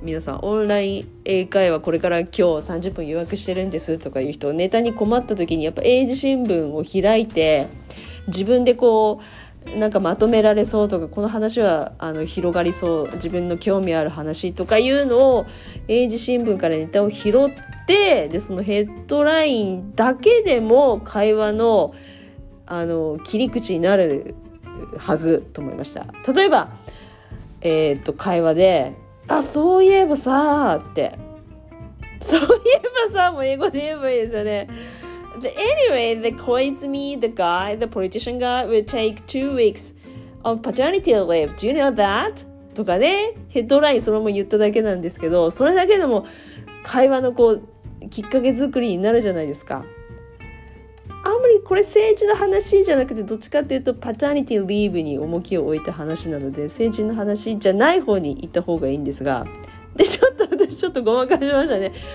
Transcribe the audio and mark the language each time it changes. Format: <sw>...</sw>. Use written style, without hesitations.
<ja>皆さんオンライン英会話、これから今日30分予約してるんですとかいう人、ネタに困った時にやっぱ英字新聞を開いて自分でこうなんかまとめられそうとか、この話は広がりそう、自分の興味ある話とかいうのを英字新聞からネタを拾って、でそのヘッドラインだけでも会話の切り口になるはずと思いました。例えば会話で、あそういえばさって、そういえばさも英語で言えばいいですよね。</ja> <en>But anyway, the Koizumi, the guy, the politician guy, will take 2 weeks of paternity leave. Do you know that?</en> <ja>とかね、ヘッドラインそのまま言っただけなんですけど、それだけでも会話のこうきっかけ作りになるじゃないですか。あんまりこれ政治の話じゃなくて、どっちかっていうとパターニティリーブに重きを置いた話なので、政治の話じゃない方に行った方がいいんですが、でちょっと私ちょっとごまかしましたね。</ja>